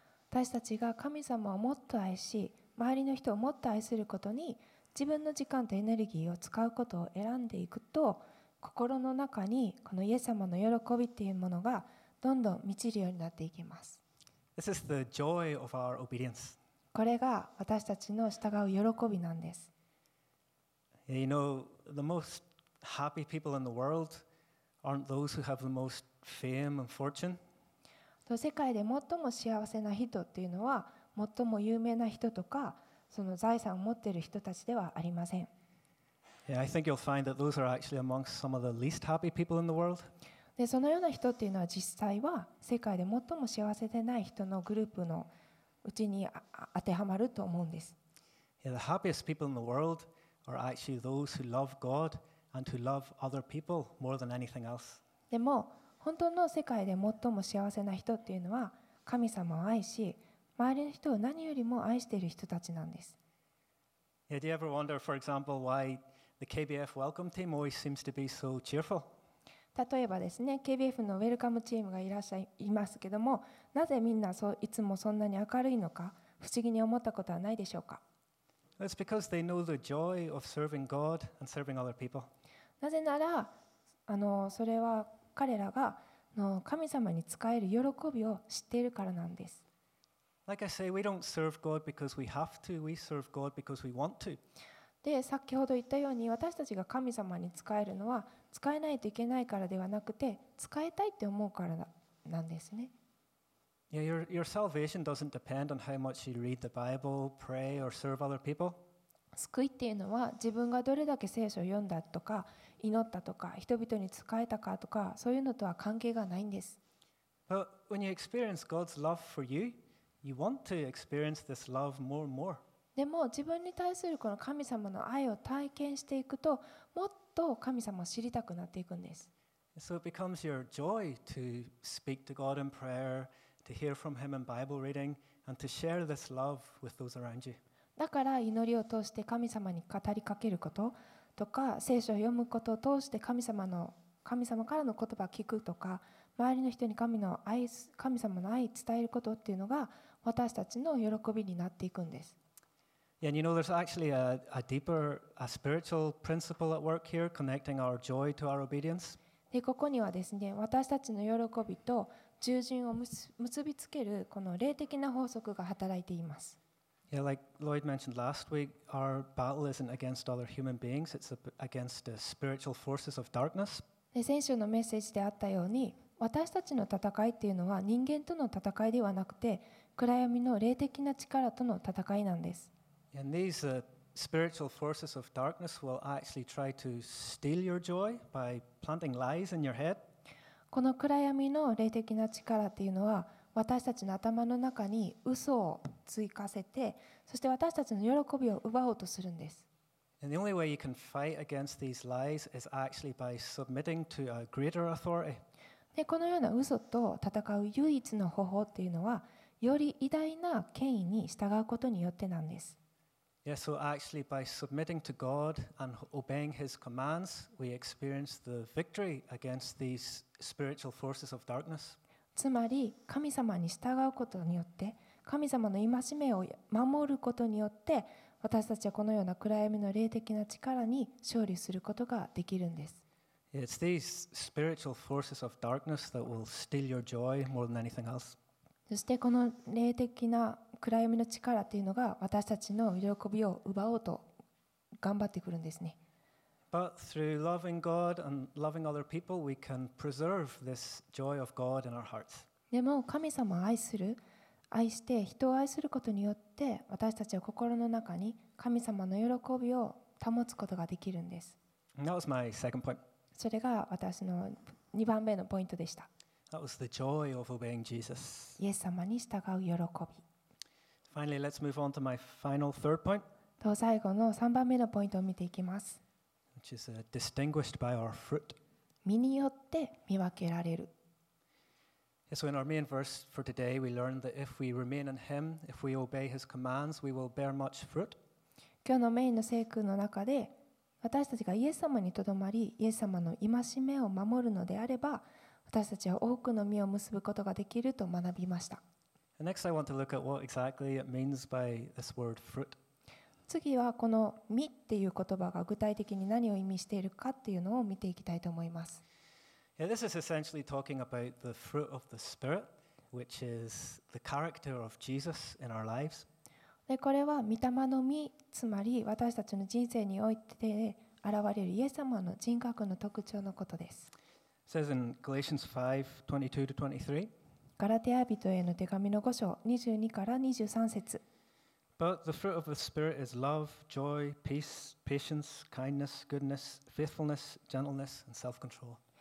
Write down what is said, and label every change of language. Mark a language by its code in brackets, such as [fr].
[ja] 私たちが神様をもっと愛し、周りの人をもっと愛することに、自分の時間とエネルギーを使うことを選んでいくと、心の中にこのイエス様の喜びっていうものがどんどん満ちるようになっていきます。 [en] This is the joy of our obedience. [ja] これが私たちの従う喜びなんです。 [en] You know, the most happy people in the world aren't those who have the most fame and fortune. [ja] 世界で最も幸せな人っていうのは、最も有名な人とか、その財産を持っている人たちではありません。 [en] Yeah, I think you'll find that those are actually amongst some of the least happy people in the world. [ja] でそのような人っていうのは実際は世界で最も幸せでない人のグループのうちに当てはまると思うんです。 [en] Yeah, the happiest people in the world are actually those who love God and who love other people more than anything else. [ja] でも本当の世界で最も幸せな人っていうのは神様を愛し周りの人を何よりも愛している人たちなんです。 [en] Yeah, do you ever wonder, for example, why the KBF welcome team always seems to be so cheerful? [ja] 例えばですね、KBF のウェルカムチームがいらっしゃいますけども、なぜみんなそういつもそんなに明るいのか、不思議に思ったことはないでしょうか。 [en] It's because they know the joy of serving God and serving other people. [ja] なぜなら、それは彼らが神様に仕える喜びを知っているからなんです。 [en] Like I say, we don't serve God because we have to. We serve God because we want to. [ja] で先ほど言ったように私たちが神様に使えるのは使えないといけないからではなくて使いたいって思うからなんですね。 [en] Yeah, your salvation doesn't depend on how much you read the Bible, pray, or serve other people. [ja] 救いっていうのは自分がどれだけ聖書を読んだとか祈ったとか人々に使えたかとかそういうのとは関係がないんです。 [en] But when you experience God's love for you, you want to experience this love more and more. [ja] でも自分に対するこの神様の愛を体験していくともっと神様を知りたくなっていくんです。 [en] So it becomes your joy to speak to God in prayer, to hear from Him in Bible reading, and to share this love with those around you. [ja] だから祈りを通して神様に語りかけることとか聖書を読むことを通して神様からの言葉を聞くとか周りの人に神様の愛を伝えることっていうのが私たちの喜びになっていくんです。 [en] And you know, there's actually a deeper, a spiritual principle at work here, connecting our joy to our obedience. [ja] で、ここにはですね、私たちの喜びと従順を結びつけるこの霊的な法則が働いています。 [en] Yeah, like Lloyd mentioned last week, our battle isn't against other human beings; it's against the spiritual forces of darkness. [ja] で、先週のメッセージであったように、私たちの戦いっていうのは人間との戦いではなくて、暗闇の霊的な力との戦いなんです。 [en] And these spiritual forces of darkness will actually try to steal your joy by planting lies in your head. [ja] この暗闇の霊的な力っていうのは私たちの頭の中に嘘を追加せて、そして私たちの喜びを奪おうとするんです。 [en] And the only way you can fight against these lies is actually by submitting to a greater authority. [ja] で、このような嘘と戦う唯一の方法っていうのは、より偉大な権威に従うことによってなんです。 [en] Yeah, so actually by submitting to God and obeying His commands, we experience the victory against these spiritual forces of darkness. [ja] つまり神様に従うことによって、神様の戒めを守ることによって、私たちはこのような暗闇の霊的な力に勝利することができるんです。 [en] It's these spiritual forces of darkness that will steal your joy more than anything else. [ja] そしてこの霊的な暗闇の力というのが私たちの喜びを奪おうと頑張ってくるんですね。 [en] But through loving God and loving other people, we can preserve this joy of God in our hearts. [ja] でも神様を愛して人を愛することによって私たちは心の中に神様の喜びを保つことができるんです。 [en] That was my second point. [ja] それが私の2番目のポイントでした。 [en] That was the joy of obeying Jesus. [ja] イエス様に従う喜び。 [en] Finally, let's move on to my final third point. [ja] と最後の3番目のポイントを見ていきます。 [en] Which is distinguished by our fruit. [ja] 実によって見分けられる。 [en] So in our main verse for today, we learn that if we remain in Him, if we obey His commands, we will bear much fruit. [ja] 今日のメインの聖句の中で、私たちがイエス様にとどまり、イエス様の戒めを守るのであれば、私たちは多くの実を結ぶことができると学びました。次はこの実っていう言葉が具体的に何を意味しているかっていうのを見ていきたいと思います。 [en] Yeah, this is essentially talking about the fruit of the Spirit, which is the character of Jesus in our lives. [ja] でこれは御霊の実、つまり私たちの人生において現れるイエス様の人格の特徴のことです。 [en] It says in Galatians 5:22-23. [ja] ガラテヤ人への手紙の5章22から23節。 [en] But the fruit of the Spirit is love, joy, peace, patience, kindness, goodness, faithfulness, gentleness, and self-control.